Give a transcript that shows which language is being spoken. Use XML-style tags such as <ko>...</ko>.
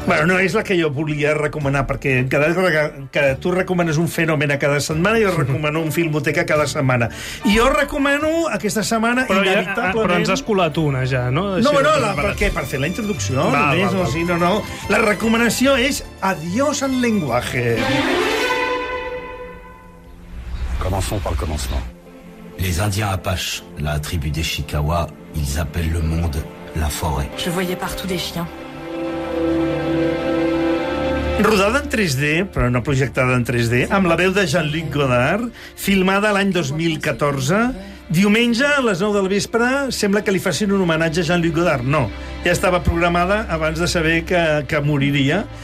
<ca>Bueno, no és la que jo volia recomanar, perquè cada vegada que tu recomanes un fenomen a cada setmana, jo recomano un Filmoteca cada setmana. I jo recomano aquesta setmana, però inevitablement... Però ens has colat una, ja, no? Així no, no, perquè per fer la introducció, només, o sigui, no. La recomanació és Adiós al lenguaje. Comencem pel començament.</ca> <fr>Les Indiens Apaches, la tribu des Chikawa, ils appellent le monde la forêt. Je voyais partout des chiens.</fr> <ca>Rodada en 3D, però no projectada en 3D, amb la veu de Jean-Luc Godard, filmada l'any 2014. Diumenge, a les 9 del vespre, sembla que li facin un homenatge a Jean-Luc Godard. No, ja estava programada abans de saber que moriria.</ca>